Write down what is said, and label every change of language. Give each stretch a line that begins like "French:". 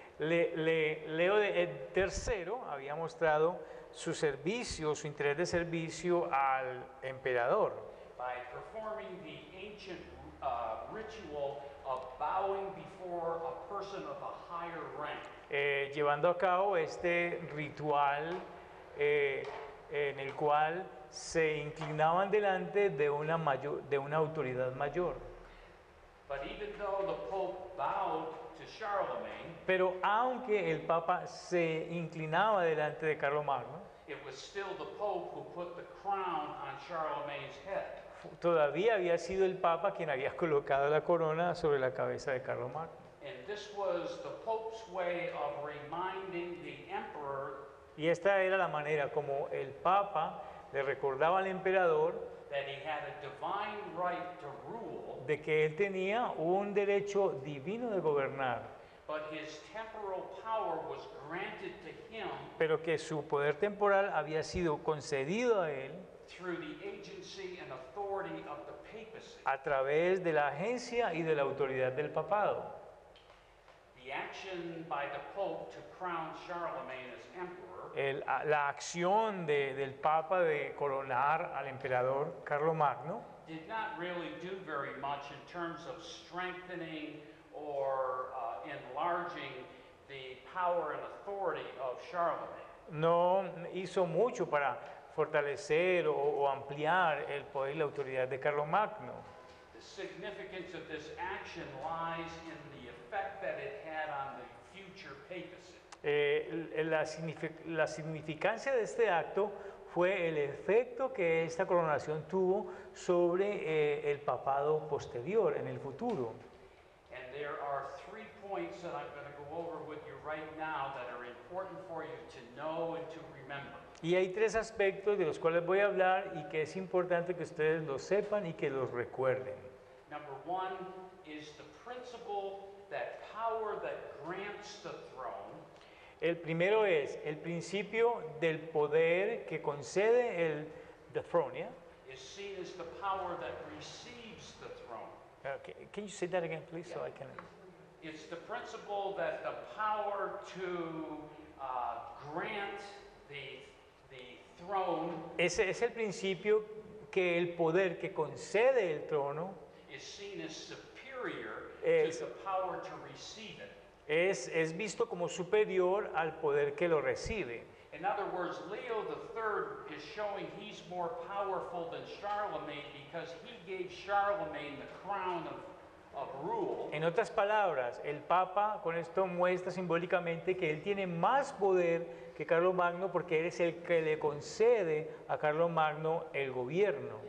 Spanish: Leo el tercero había mostrado su servicio, su interés de servicio al emperador.
English: By performing the ancient ritual of bowing before a person of a higher rank.
Spanish: Llevando a cabo este ritual en el cual se inclinaban delante de una autoridad mayor.
English: But even though the Pope bowed to Charlemagne,
Spanish: pero aunque el Papa se inclinaba delante de Carlomagno,
English: it was still the Pope who put the crown on Charlemagne's head.
Spanish: Todavía había sido el Papa quien había colocado la corona sobre la cabeza de Carlomagno.
English: And this was the Pope's way of reminding the emperor.
Spanish: Y esta era la manera como el Papa le recordaba al emperador
English: that he had a divine right to rule,
Spanish: de que él tenía un derecho divino de gobernar,
English: but his temporal power was granted to him,
Spanish: pero que su poder temporal había sido concedido a él
English: through the agency and authority of the papacy,
Spanish: a través de la agencia y de la autoridad del papado.
English: The action by the Pope to crown Charlemagne as emperor,
Spanish: la acción del Papa de coronar al emperador Carlomagno
English: did not really do very much in terms of strengthening or enlarging the power and authority of Charlemagne.
Spanish: No hizo mucho para fortalecer o ampliar el poder y la autoridad de Carlomagno.
English: The significance of this action lies in the effect that it had on the future papacy.
Spanish: La significancia de este acto fue el efecto que esta coronación tuvo sobre el papado posterior, en el futuro.
English: And there are three points that I'm going to go over with you right now that are important for you to know and to remember.
Spanish: Y hay tres aspectos de los cuales voy a hablar y que es importante que ustedes los sepan y que los recuerden.
English: Number one is the principle that power that grants the throne.
Spanish: El primero es el principio del poder que concede el
English: the throne, yeah? Is seen as the power that receives the throne. Okay, can you say that again, please, yeah. So I can. It's the principle that the power to grant the throne.
Spanish: Ese es el principio que el poder que concede el trono
English: is seen as superior to the power to receive it.
Spanish: Es visto como superior al poder que lo recibe.
English: In other words, Leo III is showing he's more powerful than Charlemagne because he gave Charlemagne the crown of rule.
Spanish: En otras palabras, el Papa con esto muestra simbólicamente que él tiene más poder que Carlos Magno porque él es el que le concede a Carlos Magno el gobierno.